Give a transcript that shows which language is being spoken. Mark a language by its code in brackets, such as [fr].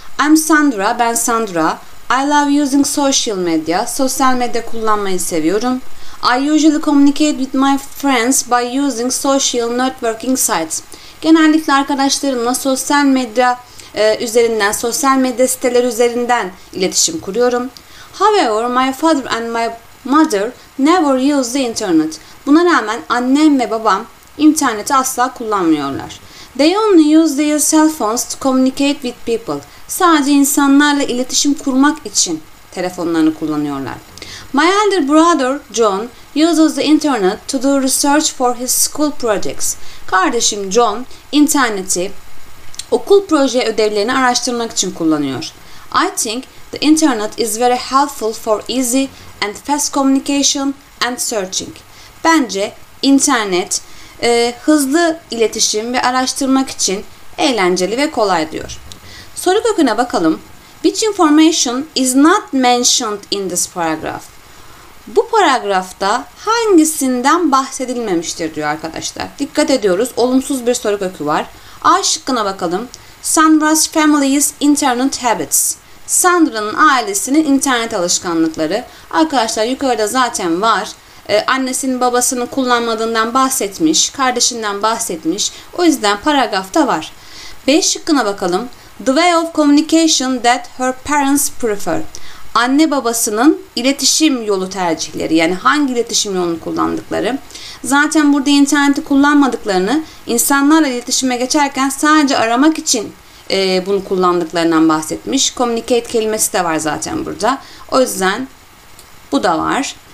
[en] I'm Sandra, [tr] ben Sandra. [en] I love using social media. [tr] Sosyal medya kullanmayı seviyorum. [en] I usually communicate with my friends by using social networking sites. [tr] Genellikle arkadaşlarımla sosyal medya üzerinden, sosyal medya siteleri üzerinden iletişim kuruyorum. [en] However, my father and my mother never use the internet. [tr] Buna rağmen annem ve babam interneti asla kullanmıyorlar. [en] They only use their cell phones to communicate with people. [tr] Sadece insanlarla iletişim kurmak için telefonlarını kullanıyorlar. [en] My elder brother John uses the internet to do research for his school projects. [tr] Kardeşim John interneti okul proje ödevlerini araştırmak için kullanıyor. [en] I think the internet is very helpful for easy and fast communication and searching. [tr] Bence internet hızlı iletişim ve araştırmak için eğlenceli ve kolay diyor. Soru köküne bakalım. [en] Which information is not mentioned in this paragraph? [tr] Bu paragrafta hangisinden bahsedilmemiştir diyor arkadaşlar. Dikkat ediyoruz. Olumsuz bir soru kökü var. A şıkkına bakalım. [en] Sandra's family's internet habits. [tr] Sandra'nın ailesinin internet alışkanlıkları. Arkadaşlar yukarıda zaten var. Annesinin babasını kullanmadığından bahsetmiş. Kardeşinden bahsetmiş. O yüzden paragrafta var. B şıkkına bakalım. [en] The way of communication that her parents prefer. [tr] Anne babasının iletişim yolu tercihleri, yani hangi iletişim yolunu kullandıkları. Zaten burada interneti kullanmadıklarını, insanlarla iletişime geçerken sadece aramak için bunu kullandıklarından bahsetmiş. Communicate kelimesi de var zaten burada. O yüzden bu da var.